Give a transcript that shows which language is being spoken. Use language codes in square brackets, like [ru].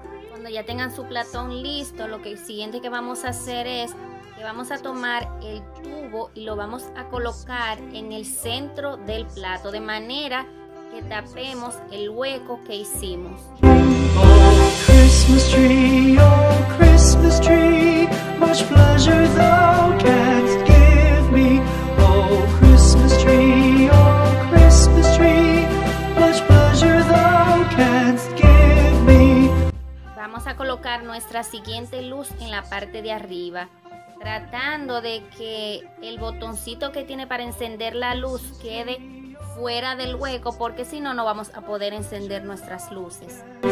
[es] Cuando ya tengan su platón listo, lo que siguiente que vamos a hacer es que vamos a tomar el tubo y lo vamos a colocar en el centro del plato de manera que tapemos el hueco que hicimos. [en] Christmas tree, oh Christmas tree, much pleasure thou canst give me. Oh Christmas tree, oh Christmas tree, much pleasure thou canst give me. [es] Vamos a colocar nuestra siguiente luz en la parte de arriba, tratando de que el botoncito que tiene para encender la luz quede fuera del hueco, porque si no, no vamos a poder encender nuestras luces.